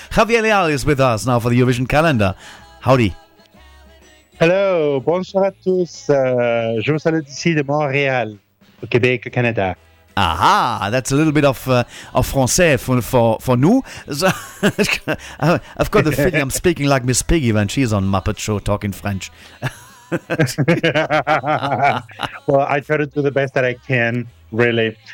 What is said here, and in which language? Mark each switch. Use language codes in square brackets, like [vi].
[en] Javier Leal is with us now for the Eurovision calendar. Howdy. [fr] Hello, bonsoir à tous. Je vous salue ici de Montréal, au Québec, Canada. [en] Aha, that's a little bit of français for nous. So, I've got the feeling I'm speaking like Miss Piggy when she's on Muppet Show talking French. Well, I try to do the best that I can, really.